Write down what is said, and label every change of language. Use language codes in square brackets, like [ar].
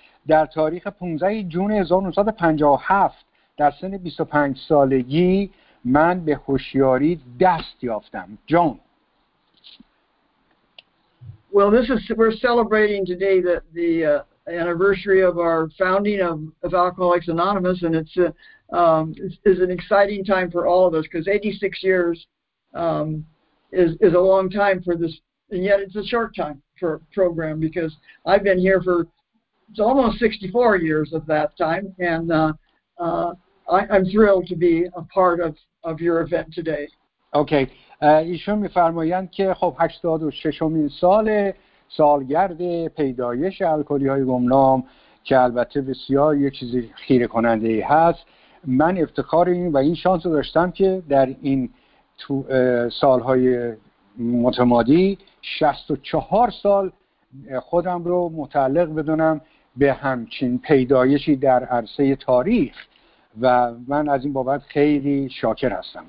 [fa] در تاریخ 15 جون 1957 در سن 25 سالگی من به هوشیاری دست یافتم. جون. [en] Well, we're celebrating today the anniversary of our founding of Alcoholics Anonymous, and it's an exciting time for all of us because 86 years is a long time for this, and yet it's a short time for a program because I've been here for it's almost 64 years of that time, and I'm thrilled to be a part of your event today. Okay. [fa] ایشون میفرمایند که خب 86مین سالگرد پیدایش الکلی‌های گمنام که البته بسیار یک چیزی خیره کننده هست، من افتخار این و این شانس رو داشتم که در این تو سالهای متمادی 64 سال خودم رو متعلق بدونم به همچین پیدایشی در عرصه تاریخ و من از این بابت خیلی شاکر هستم.